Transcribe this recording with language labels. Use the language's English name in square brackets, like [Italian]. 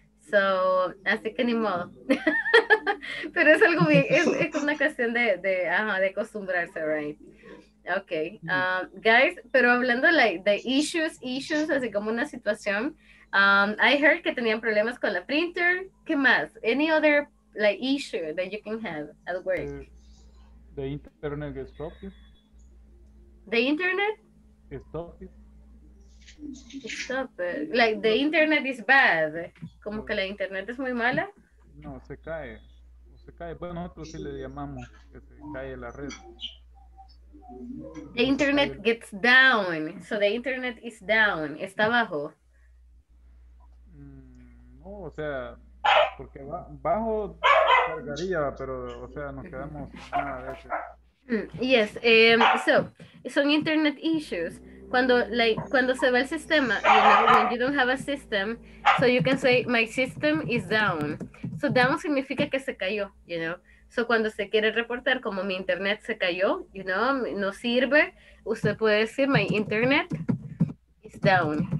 [Spanish] So, así que ni modo. Pero es algo bien, es una cuestión de acostumbrarse, right? Okay. Guys, pero hablando like de issues, así como una situación, [English] I heard [Spanish] que tenían problemas con la printer. ¿Qué más? [English] Any other like issue that you can have at work? The internet gets broken. The internet? Stop it. Like the internet is bad. [Spanish] Como que la internet es muy mala. No, se cae. Bueno, nosotros sí le llamamos que se cae la red. [English] The internet gets down. So the internet is down. [Spanish] Está bajo. No, o sea, porque bajo cargaría, pero o sea, nos quedamos una vez. [English] Yes, so son internet issues. [Spanish] Cuando se va el sistema, [English] you know, when you don't have a system, so you can say, my system is down. [Spanish] So down significa que se cayó, you know. So cuando se quiere reportar como mi internet se cayó, you know, no sirve, usted puede decir, [English] my internet is down.